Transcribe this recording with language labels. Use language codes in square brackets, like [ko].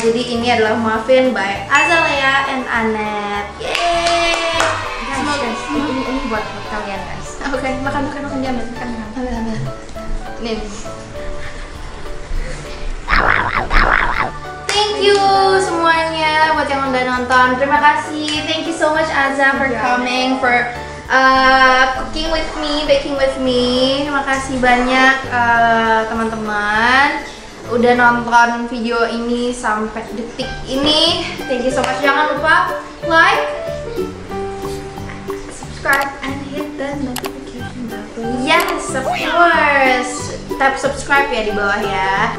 [id] Jadi ini adalah muffin by Azalea and Annette. Yay! Ini buat kalian, guys. Okay, makan, diambil, makan. Nih. [en] Thank you [id] semuanya buat yang udah nonton. Terima kasih. [en] Thank you so much Azza for coming, for cooking with me, baking with me. [id] Terima kasih banyak teman-teman udah nonton video ini sampai detik ini. [en] Thank you so much. [id] Jangan lupa [en] like, subscribe, and hit the notification bell. Yes, of course. Tap subscribe [id] ya di bawah ya.